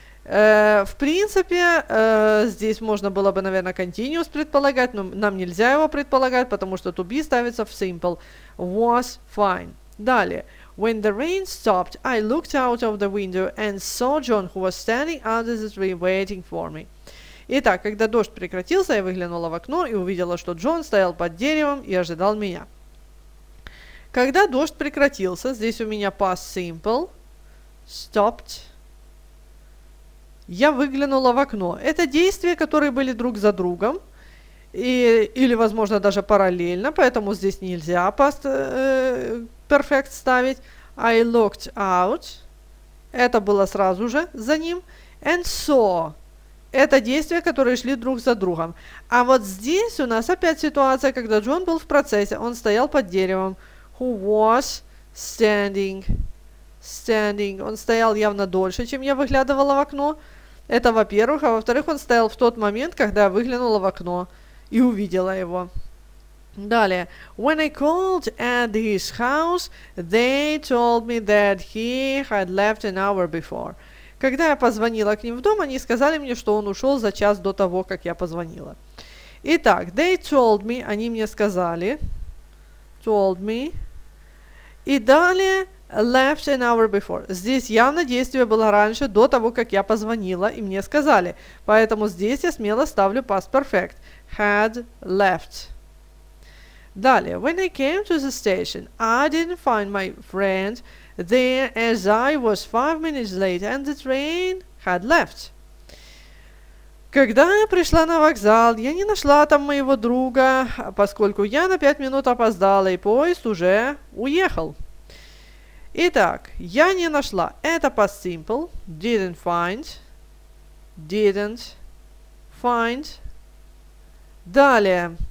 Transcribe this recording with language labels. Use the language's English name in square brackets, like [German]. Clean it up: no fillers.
[Russian] В принципе, здесь можно было бы, наверное, continuous предполагать, но нам нельзя его предполагать, потому что to be ставится в simple. [English] Was fine. [Russian] Далее. [English] When the rain stopped, I looked out of the window and saw John, who was standing under the tree waiting for me. [Russian] Итак, когда дождь прекратился, я выглянула в окно и увидела, что Джон стоял под деревом и ожидал меня. Когда дождь прекратился, здесь у меня past simple, stopped. Я выглянула в окно. Это действия, которые были друг за другом, или, возможно, даже параллельно, поэтому здесь нельзя past perfect ставить. [English] I looked out. [Russian] Это было сразу же за ним. [English] And saw. [Russian] Это действия, которые шли друг за другом. А вот здесь у нас опять ситуация, когда Джон был в процессе. Он стоял под деревом. [English] Who was standing. [Russian] Он стоял явно дольше, чем я выглядывала в окно. Это во-первых. А во-вторых, он стоял в тот момент, когда я выглянула в окно и увидела его. Далее. [English] When I called at his house, they told me that he had left an hour before. [Russian] Когда я позвонила к ним в дом, они сказали мне, что он ушел за час до того, как я позвонила. Итак, [English] they told me, [Russian] они мне сказали, [English] told me, [Russian] и далее [English] left an hour before. [Russian] Здесь явно действие было раньше, до того, как я позвонила, и мне сказали. Поэтому здесь я смело ставлю past perfect. [English] Had left. [Russian] Далее. [English] When I came to the station, I didn't find my friend there as I was 5 minutes late and the train had left. [Russian] Когда я пришла на вокзал, я не нашла там моего друга, поскольку я на 5 минут опоздала, и поезд уже уехал. Итак, я не нашла. Это past simple. [English] Didn't find. [Russian] Далее.